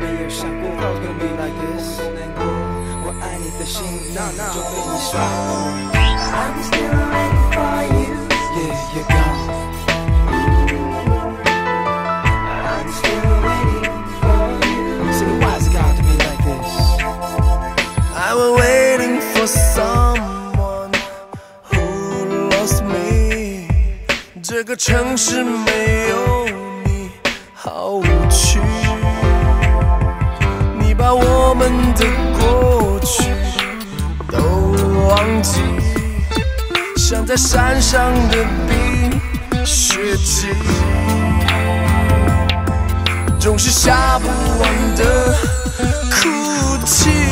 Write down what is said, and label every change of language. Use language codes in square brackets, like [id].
[zh] 想过后的未来也是难过，我爱你的心早就被你耍弄。 [en] I'm still waiting for you, yeah, you go. I'm still waiting for you. So why has it got to be like this? I was waiting for someone who lost me. [zh] 这个城市没有你好无趣，你把我们的过去都忘记，像在山上的冰雪季，总是下不完的哭泣。